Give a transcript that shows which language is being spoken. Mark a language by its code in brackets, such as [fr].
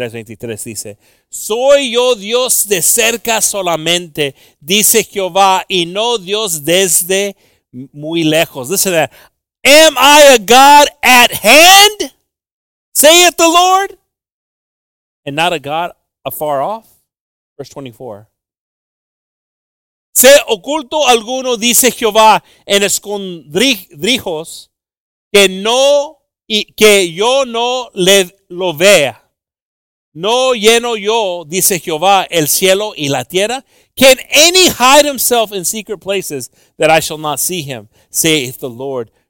[es] Jeremías 23:23 dice, soy yo Dios de cerca solamente, dice Jehová, y no Dios desde muy lejos. [en] Listen to that. Am I a God at hand, saith the Lord, and not a God afar off? Verse 24. [es] Se oculto alguno, dice Jehová, en escondrijos, que no y que yo no le lo vea. No lleno yo, dice Jehová, el cielo y la tierra. [en] Can any hide himself in secret places that I shall not see him, saith the Lord?